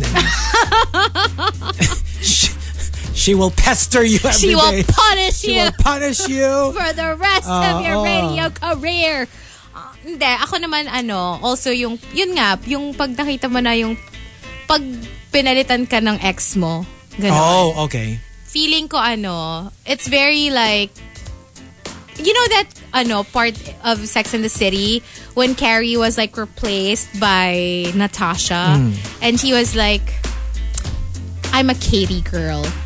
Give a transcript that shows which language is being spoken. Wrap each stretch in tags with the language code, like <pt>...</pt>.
<en>And she will pester you every Will punish she you. She will punish you. For the rest of your radio career.</en> <tl>Hindi, ako naman ano, also yung, yun nga, yung pag nakita mo na yung, pag pinalitan ka ng ex mo, ganun.</tl> <en>Oh, okay. Feeling ko ano, it's very like, you know that ano part of Sex and the City when Carrie was like replaced by Natasha and she was like, I'm a Katie girl.</en>